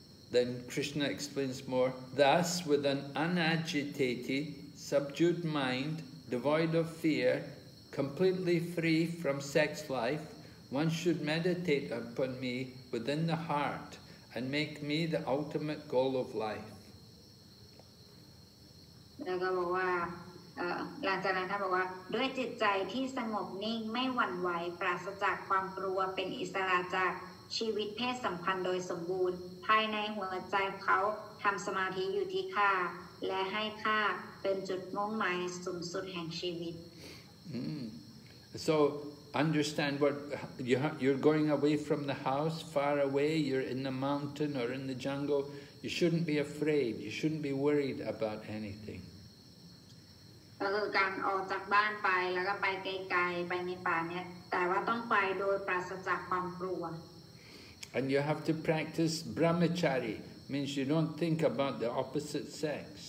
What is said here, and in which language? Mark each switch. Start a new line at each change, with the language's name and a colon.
English: Then Krishna explains more. Thus, with an unagitated, subdued mind, devoid of fear, completely free from sex life, one should meditate upon me within the heart and make me the ultimate goal of life.
Thai: ชีวิตเพศสัมพันธ์โดยสมบูรณ์ภายในหัวใจเขาทำสมาธิอยู่ที่ข้าและให้ข้าเป็นจุดมุ่งหมายสูงสุดแห่งชีวิต
English: So understand what you're going away from the house far away you're in the mountain or in the jungle you shouldn't be afraid you shouldn't be worried about anything
Thai: ก็คือการออกจากบ้านไปแล้วก็ไปไกลๆไปในป่าเนี่ยแต่ว่าต้องไปโดยปราศจากความกลัว
English: And you have to practice brahmachari, means you don't think about the opposite sex.